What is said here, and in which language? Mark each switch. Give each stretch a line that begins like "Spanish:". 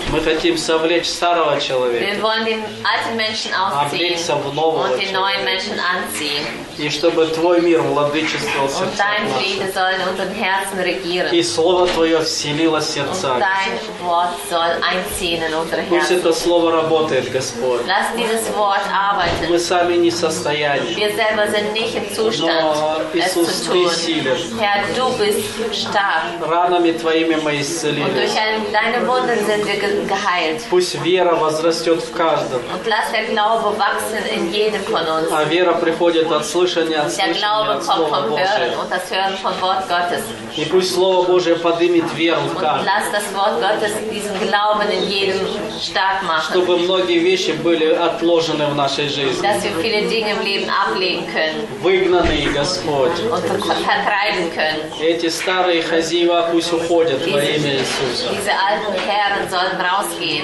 Russian: Мы хотим совлечь старого человека.
German: Wir wollen den alten Menschen ausziehen und den neuen Menschen anziehen.
Russian: И чтобы твой мир владычествовал в сердцах наших.
German: Und dein Friede soll in unseren Herzen regieren.
Russian: И слово твое вселило сердца.
German: Und dein Wort soll einziehen in unsere Herzen.
Russian: Пусть это слово работает, Господь.
German: Lass dieses Wort arbeiten.
Russian: Мы сами не в состоянии.
German: Wir selber sind nicht im Zustand, es zu tun. Herr, du bist stark.
Russian: Ранами твоими мы исцелились.
German: Und durch deine Wunden sind wir geheilt.
Russian: Пусть вера возрастет в каждом.
German: Und lass der Glaube wachsen in jedem von uns.
Russian: А вера приходит от слышания, от слышания.
German: Der Glaube kommt vom Hören und das Hören vom Wort Gottes.
Russian: И пусть Слово Божие поднимет веру в каждом.
German: Und lass das Wort Gottes diesen Glauben in jedem stark machen.
Russian: Чтобы многие вещи были отложены в нашей жизни.
German: Dass wir viele Dinge im Leben ablegen können.
Russian: Выгнанные, Господь.
German: Und vertreiben können.
Russian: Эти старые хозяева пусть уходят во имя Иисуса.
German: Diese alten Herren sollen rausgehen.